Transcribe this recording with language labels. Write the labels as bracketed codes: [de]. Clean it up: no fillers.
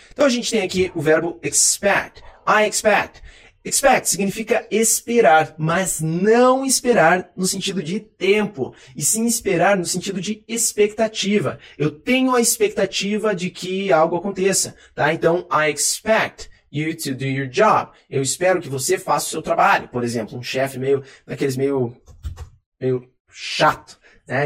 [pt] Então a gente tem aqui o verbo expect. [en] I expect. [pt] Expect significa esperar, mas não esperar no sentido de tempo, e sim esperar no sentido de expectativa. Eu tenho a expectativa de que algo aconteça, tá? [en] Então, I expect you to do your job. [pt] Eu espero que você faça o seu trabalho. Por exemplo, um chefe meio, daqueles meio chato, né?